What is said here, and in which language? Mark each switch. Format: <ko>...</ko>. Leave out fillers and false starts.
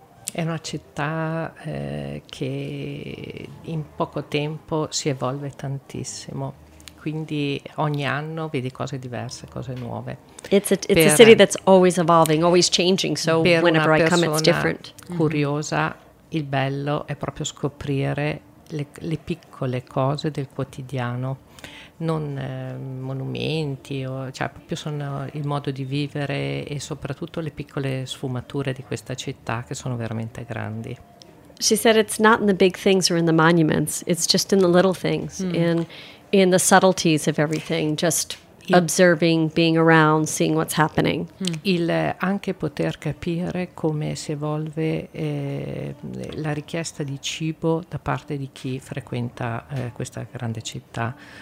<it>È una città che in poco tempo si evolve tantissimo. Quindi ogni anno vedi cose diverse, cose nuove.</it> <en>It's a city that's always evolving, always changing, so whenever I come it's different.</en> <it>Curiosa, il bello è proprio scoprire le piccole cose del quotidiano, non monumenti, cioè proprio sono il modo di vivere e soprattutto le piccole sfumature di questa città che sono veramente grandi.</it> <en>She said it's not in the big things or in the monuments, it's just in the little things, in the subtleties of everything, just observing, being around, seeing what's happening.</en> <it>Il anche poter capire come si evolve la richiesta di cibo da parte di chi frequenta questa grande città.</it>